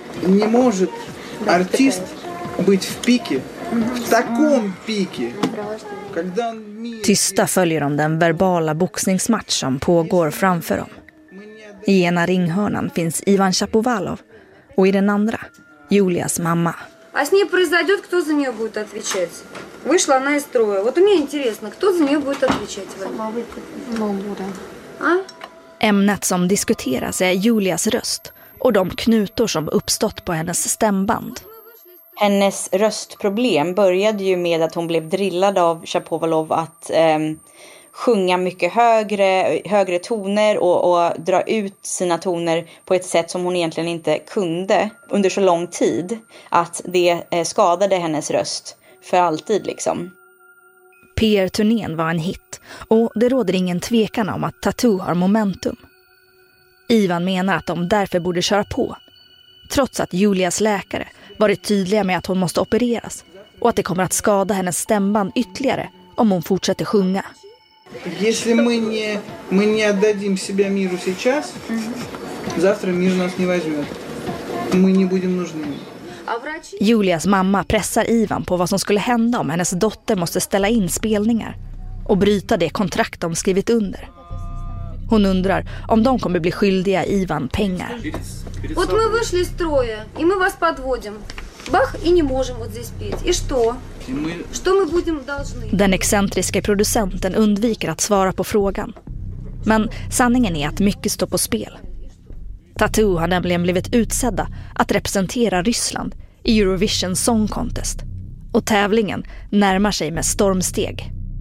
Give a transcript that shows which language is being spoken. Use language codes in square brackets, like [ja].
[ru] Не может артист быть в пике, в таком пике. [sv] Tysta följer de den verbala boxningsmatch som pågår framför dem. I ena ringhörnan finns Ivan Shapovalov och i den andra Julias mamma. [ru] А с ней произойдет, кто за нее будет отвечать? Вышла она из строя. Вот мне интересно, кто за нее будет отвечать? [sv] Ämnet som diskuteras är Julias röst och de knutor som uppstått på hennes stämband. Hennes röstproblem började ju med att hon blev drillad av Shapovalov att sjunga mycket högre toner och dra ut sina toner på ett sätt som hon egentligen inte kunde under så lång tid, att det skadade hennes röst för alltid liksom. PR-turnén var en hit och det råder ingen tvekan om att Tattoo har momentum. Ivan menar att de därför borde köra på, trots att Julias läkare varit tydliga med att hon måste opereras och att det kommer att skada hennes stämband ytterligare om hon fortsätter sjunga. [ru] Если мы не отдадим себя миру сейчас, завтра мир нас не возьмет. Мы не будем нужны. [sv] Julias mamma pressar Ivan på vad som skulle hända om hennes dotter måste ställa in spelningar och bryta det kontrakt de skrivit under. Hon undrar om de kommer bli skyldiga Ivan pengar. [ru] Вот мы вышли из строя, и мы вас подводим. Бах, и не можем вот здесь петь. И что? Что мы будем должны? [sv] Den excentriska producenten undviker att svara på frågan. Men sanningen är att mycket står på spel. Tattoo har nämligen blivit utsedda att representera Ryssland i Eurovision Song Contest. Och tävlingen närmar sig med stormsteg.